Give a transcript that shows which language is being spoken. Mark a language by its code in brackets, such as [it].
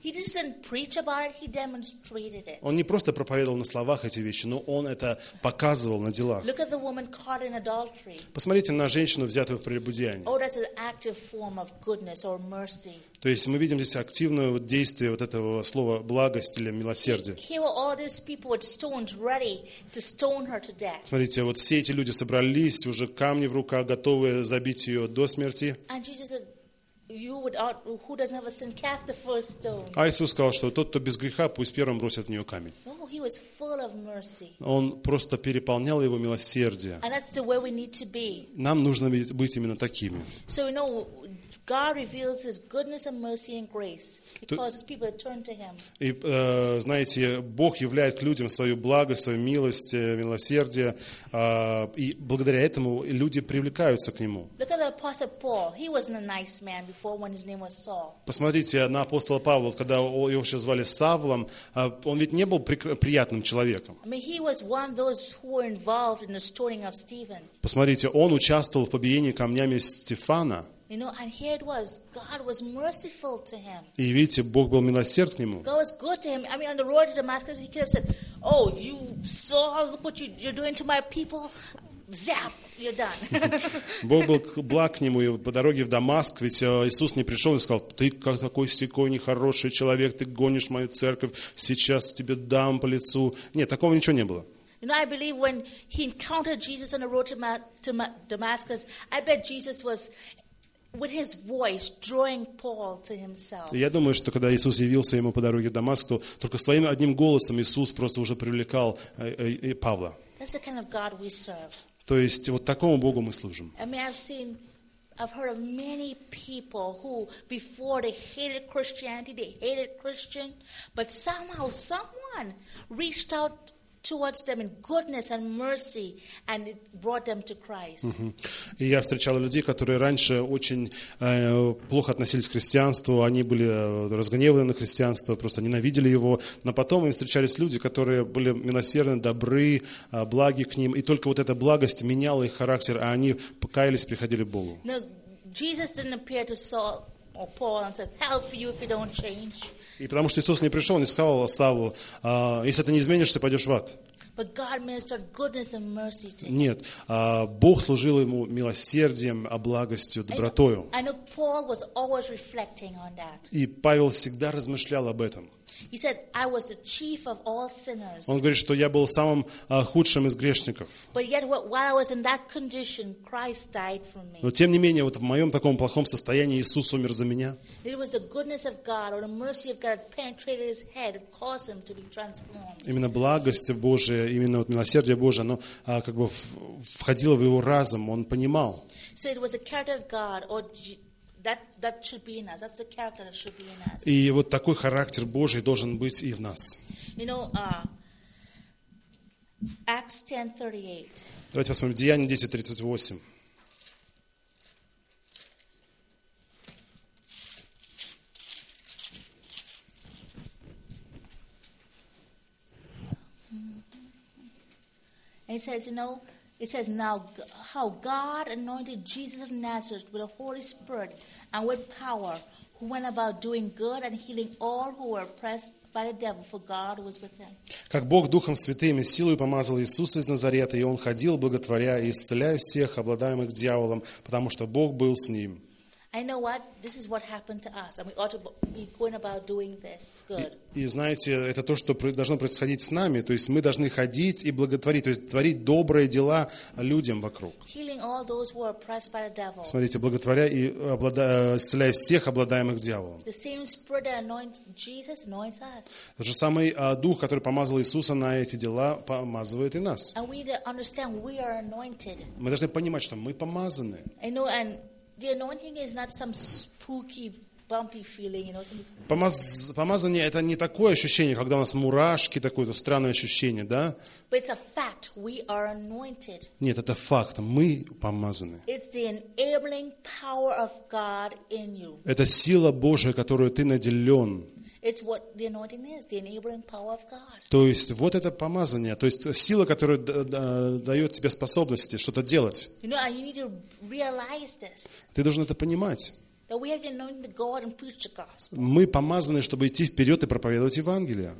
[en] He didn't preach about it; he demonstrated it. [ru] Он не просто проповедовал на словах эти вещи, но он это показывал на делах. [en] Look at the woman caught in adultery. [ru] Посмотрите на женщину, взятую в прелюбодеянии. [en] Oh, that's an active form of goodness or mercy. [ru] То есть мы видим здесь активное действие вот этого слова благость или милосердие. [en] Here were all these people with stones ready to stone her to death. [ru] Смотрите, вот все эти люди собрались, уже камни в руках, готовые забить ее до смерти. [en] And Jesus said, "You without who doesn't have a sin, cast the first stone." [ru] А Иисус сказал, что тот, кто без греха, пусть первым бросит в нее камень. [en] Oh, he was full of mercy. [ru] Он просто переполнял его милосердие. [en] And that's the way we need to be. [ru] Нам нужно быть именно такими. [en] So you know, God reveals His goodness and mercy and grace. He causes people to turn to Him. [ru] И знаете, Бог являет к людям свою благость, свою милость, милосердие, и благодаря этому люди привлекаются к Нему. [en] Look at the apostle Paul. He wasn't a nice man before when his name was Saul. [ru] Посмотрите на апостола Павла, когда его вообще звали Савлом, он ведь не был приятным человеком. [en] I mean, he was one of those who were involved in the stoning of Stephen. [ru] Посмотрите, он участвовал в побиении камнями Стефана. [en] You know, and here it was. God was merciful to him. [ru] И видите, Бог был милосерд к нему. [en] God was good to him. I mean, on the road to Damascus, he could have said, "Oh, you saw, look what you're doing to my people. Zap, you're done." [ru] Бог был благ к нему, и по дороге в Дамаск, ведь Иисус не пришел и сказал: "Ты как такой сякой нехороший человек, ты гонишь мою церковь, сейчас тебе дам по лицу." Нет, такого ничего не было. [en] You know, I believe when he encountered Jesus on the road to Damascus, I bet Jesus was with his voice drawing Paul to himself. [ru] Я думаю, что когда Иисус явился ему по дороге в Дамаск, то только своим одним голосом Иисус просто уже привлекал Павла. [en] That's the kind of God we serve. [ru] То есть вот такому Богу мы служим. [en] I mean, I've heard of many people who before they hated Christianity, they hated Christian, but somehow someone reached out towards them in goodness and mercy, and it brought them to Christ. [ru] И я встречал людей, которые раньше очень плохо относились к христианству, они были разгневаны на христианство, просто ненавидели его. Но потом им встречались люди, которые были милосердны, добры, благи к ним, и только вот эта благость меняла их характер, а они покаялись, приходили к Богу. [en] No, Jesus didn't appear to Saul or Paul and said, "Hell for you if you don't change." [ru] И потому что Иисус не пришел, не сказал Савву: "Если ты не изменишься, пойдешь в ад." [en] But God ministered goodness and mercy to him. [ru] Нет, Бог служил ему милосердием, благостью, добротою. [en] I know Paul was always reflecting on that. [ru] И Павел всегда размышлял об этом. [en] He said, "I was the chief of all sinners." [ru] Он говорит, что я был самым худшим из грешников. [en] But yet, while I was in that condition, Christ died for me. [ru] Но тем не менее, вот в моем таком плохом состоянии Иисус умер за меня. [en] It was the goodness of God or the mercy of God penetrated his head and caused him to be transformed. [ru] Именно благость Божия, именно вот милосердие Божие, оно как бы входило в его разум, он понимал. [en] So it was the character of God or That should be in us. That's the character that should be in us. [ru] И вот такой характер Божий должен быть и в нас. [en] You know, Acts 10:38. [ru] Давайте посмотрим Деяния 10:38. [en] And it says, you know, It says now how God anointed Jesus of Nazareth with the Holy Spirit and with power, who went about doing good and healing all who were oppressed by the devil, for God was with him. [ru] Как Бог Духом Святым и силой помазал Иисуса из Назарета, и он ходил, благотворя и исцеляя всех обладаемых дьяволом, потому что Бог был с ним. [en] I know what this is what happened to us, and we ought to be going about doing this good. [ru] И знаете, это то, что должно происходить с нами, то есть мы должны ходить и благотворить, то есть творить добрые дела людям вокруг. [en] Healing all those who are oppressed by the devil. [ru] Смотрите, благотворя и исцеляя всех обладаемых дьяволом. [en] The same Spirit that anointed Jesus anoints us. [ru] Тот же самый дух, который помазал Иисуса на эти дела, помазывает и нас. [en] And we need to understand we are anointed. [ru] Мы должны понимать, что мы помазаны. [en] I know, and the anointing is not some spooky, bumpy feeling, you know. [ru] Помазание это не такое ощущение, когда у нас мурашки, такое то странное ощущение, да? [en] But it's a fact. We are anointed. [ru] Нет, это факт. Мы помазаны. [en] It's the enabling power of God in you. [ru] Это сила Божия, которую ты наделен. [en] It's what the anointing is, the enabling power of God. [ru] То есть вот это помазание, то есть сила, которая дает тебе способности что-то делать. [en] You know, and you need to realize this. [ru] Ты должен это понимать. [en] That we have the anointing to go out and preach the gospel. [ru] Мы помазаны, чтобы идти вперед и проповедовать Евангелие.